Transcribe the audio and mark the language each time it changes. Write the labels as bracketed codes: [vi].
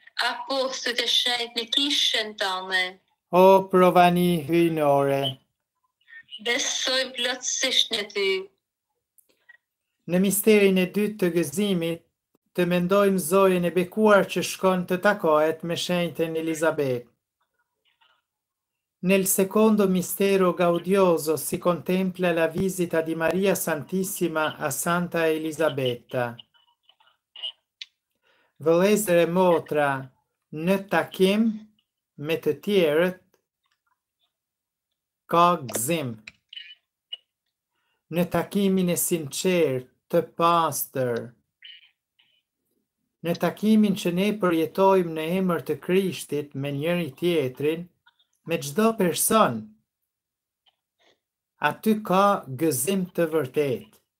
[sq] apostujt e shenjt në kishën tënde. O provani hyjnore, besojmë plotësisht në ty. Në misterin e dytë të gëzimit, të mendojmë Zojën e bekuar që shkon të takohet me shenjtën Elizabetë. [it] Nel secondo mistero gaudioso si contempla la visita di Maria Santissima a Santa Elisabetta. [sq] Vëllezër e motra, në takim me të tjerët, ka gëzim. Në takimin e sinqert, të pastër, në takimin që ne përjetojmë në emër të Krishtit me njëri tjetrin, me çdo person, aty ka gëzim të vërtet.